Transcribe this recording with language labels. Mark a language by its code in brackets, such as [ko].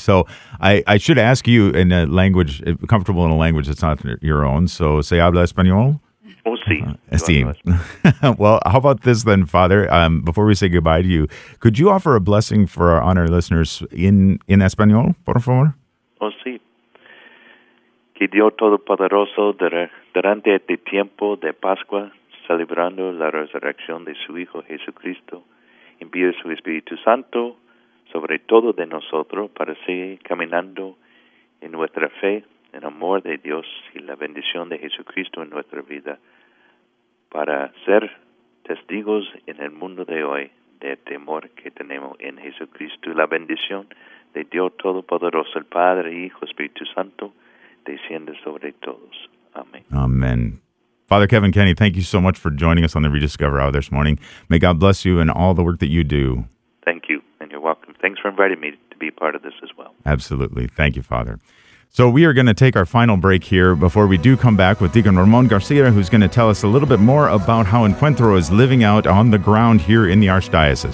[en] So I should ask you in a language, comfortable in a language that's not your own. So, [es] ¿se habla español? [en] Well, how about this then, Father? Before we say goodbye to you, could you offer a blessing for our honored listeners in Espanol, [es] por favor? Oh, sí. Que Dios Todopoderoso, durante este tiempo de Pascua, celebrando la resurrección de su Hijo Jesucristo, envíe su Espíritu Santo sobre todo de nosotros para seguir caminando en nuestra fe, en amor de Dios y la bendición de Jesucristo en nuestra vida, para ser testigos en el mundo de hoy del temor que tenemos en Jesucristo. La bendición de Dios Todopoderoso, el Padre, Hijo, Espíritu Santo, desciende sobre todos. Amén. [en] Amen. Father Kevin Kenny, thank you so much for joining us on the Rediscover Hour this morning. May God bless you and all the work that you do. Thank you, and you're welcome. Thanks for inviting me to be part of this as well. Absolutely. Thank you, Father. So we are going to take our final break here before we do come back with Deacon Ramon Garcia, who's going to tell us a little bit more about how Encuentro is living out on the ground here in the Archdiocese.